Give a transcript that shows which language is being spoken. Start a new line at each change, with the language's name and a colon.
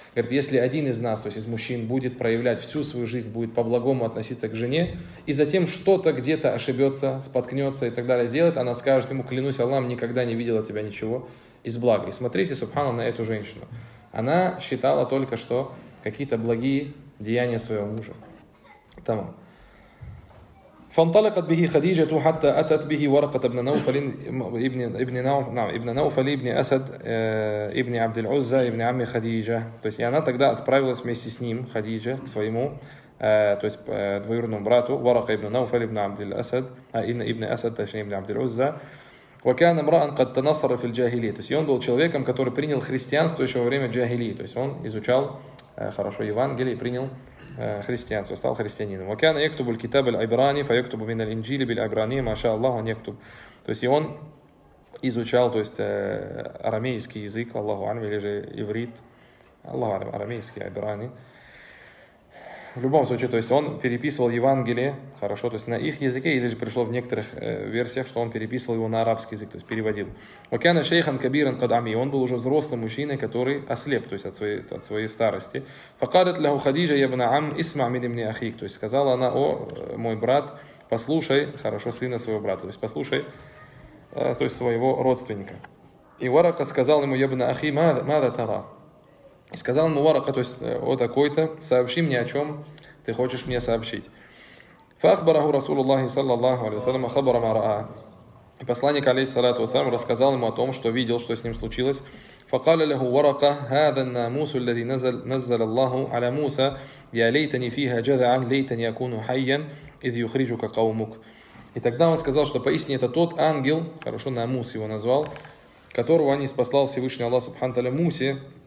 Russian: Говорит, если один из нас, то есть из мужчин, будет проявлять всю свою жизнь, будет по-благому относиться к жене, и затем что-то где-то ошибется, споткнется и так далее сделает, она скажет ему, клянусь Аллахом, никогда не видела тебя ничего из блага. И смотрите, субхана, на эту женщину. Она считала только что какие-то благие деяния своего мужа. Там.
Arabic: فانطلقت به خديجة حتى أتت به ورقة ابن نوفل ابن نوف نعم ابن نوفل ابن أسد ابن عبد العزة ابن عم خديجة.
Russian: То есть она тогда отправилась вместе с ним Хадиджа к своему то есть двоюродному брату ورقة ابن نوفل ابن عبد الأسد ابن أسد точнее ابن عبد العزة.
Arabic: وكان امرأ قد تنصر في الجاهلية.
Russian: То есть он был человеком, который принял христианство еще во время джахилии, то есть он изучал хорошо Евангелие и принял христианство, стал христианином.
Arabic: وكان يكتب الكتاب العبراني فيكتب من الإنجيل بالعبرانية ما شاء الله أن يكتب.
Russian: То есть и он изучал, то есть арамейский язык, Аллаху алям, или же иврит, Аллаху алям, арамейский, айбрани. В любом случае, то есть он переписывал Евангелие, хорошо, то есть на их языке, или же пришло в некоторых версиях, что он переписывал его на арабский язык, то есть переводил.
Arabic: وكان شيخا كبيرا قد عمي.
Russian: Он был уже взрослым мужчиной, который ослеп, то есть от своей старости.
Arabic: فقالت له خديجة يا ابن عم اسمع من ابن أخيك.
Russian: То есть сказала она, о, мой брат, послушай, хорошо, сына своего брата, то есть послушай, то есть своего родственника. И ورقة сказал ему, я
Arabic: ابن أخي ماذا ترى.
Russian: И сказал ему ورقة, то есть о такой-то, сообщи мне, о чем ты хочешь мне сообщить.
Arabic: فأخبره رسول الله صلى الله عليه وسلم خبر ما رأى.
Russian: И посланник алейхиссалату ассалям рассказал ему о том, что видел, что с ним случилось.
Arabic: فقال له ورقة هذا الناموس الذي نزل الله على موسى يا ليتني فيها جذعا ليتني أكون حيا إذ يخرجك قومك.
Russian: И тогда он сказал, что поистине это тот ангел, хорошо, намус его назвал, которого они спасал Всевышний Аллах субхана ва тааля Мусе.